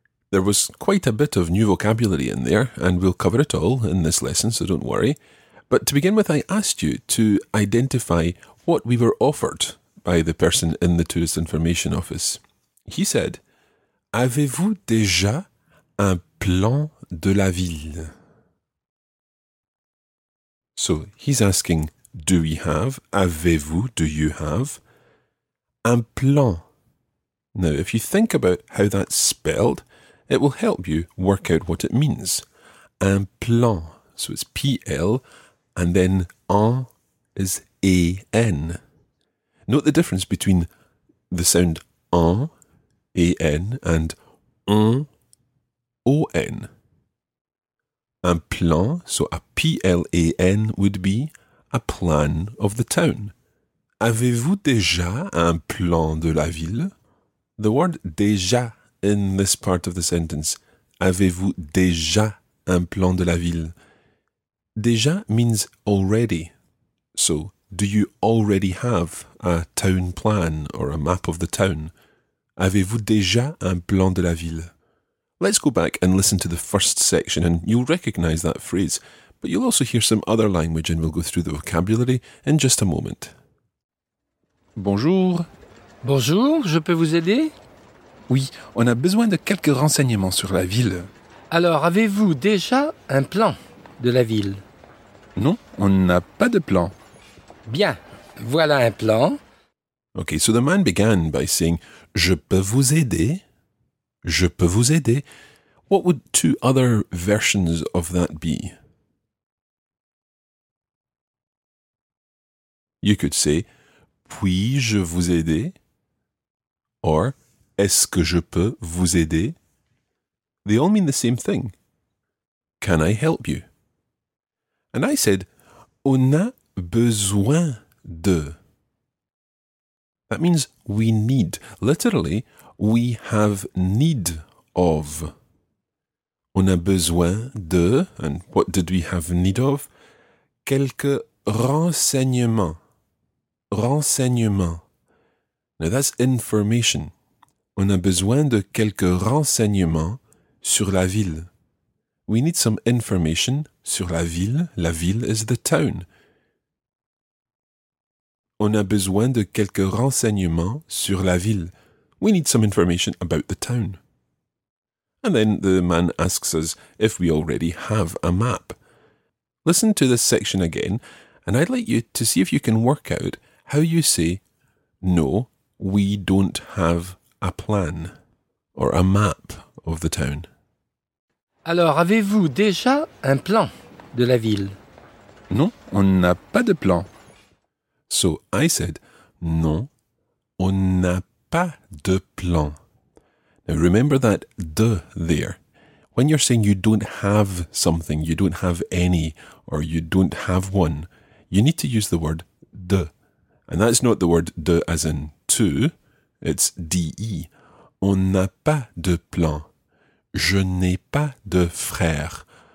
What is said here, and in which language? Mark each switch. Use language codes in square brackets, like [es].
[en] There was quite a bit of new vocabulary in there, and we'll cover it all in this lesson, so don't worry. But to begin with, I asked you to identify what we were offered by the person in the tourist information office. He said, [fr] avez-vous déjà un plan de la ville? [en] So, he's asking, do we have, [fr] avez-vous, [en] do you have, [fr] un plan? [en] Now, if you think about how that's spelled, it will help you work out what it means. [fr] Un plan. [en] So it's P-L, and then en is A-N. Note the difference between the sound en, A-N, and en, O-N. [fr] Un plan, [en] so a P-L-A-N, would be a plan of the town. [fr] Avez-vous déjà un plan de la ville? [en] The word déjà in this part of the sentence. [fr] Avez-vous déjà un plan de la ville? [en] Déjà means already. So, do you already have a town plan or a map of the town? [fr] Avez-vous déjà un plan de la ville? [en] Let's go back and listen to the first section and you'll recognize that phrase, but you'll also hear some other language and we'll go through the vocabulary in just a moment. [fr] Bonjour. Bonjour, je peux vous aider? Oui, on a besoin de quelques renseignements sur la ville. Alors, avez-vous déjà un plan de la ville? Non, on n'a pas de plan. Bien, voilà un plan. [en] Okay, so the man began by saying, [fr] je peux vous aider? Je peux vous aider? [en] What would two other versions of that be? You could say, [fr] puis-je vous aider? Or, est-ce que je peux vous aider? [en] They all mean the same thing. Can I help you? And I said, [fr] on a besoin de. [en] That means we need. Literally, we have need of. [fr] On a besoin de. [en] And what did we have need of? [fr] Quelques renseignements. Renseignements. [en] Now that's information. [fr] On a besoin de quelques renseignements sur la ville. [en] We need some information [fr] sur la ville. La ville [en] is the town. [fr] On a besoin de quelques renseignements sur la ville. [en] We need some information about the town. And then the man asks us if we already have a map. Listen to this section again, and I'd like you to see if you can work out how you say, no, we don't have a plan or a map of the town. [fr] Alors, avez-vous déjà un plan de la ville? Non, on n'a pas de plan. [en] So I said, [fr] non, on n'a pas de plan. [en] Now remember that de there. When you're saying you don't have something, you don't have any, or you don't have one, you need to use the word de. And that's not the word de as in to, it's de. [fr] On n'a pas de plan. Je n'ai pas de frère.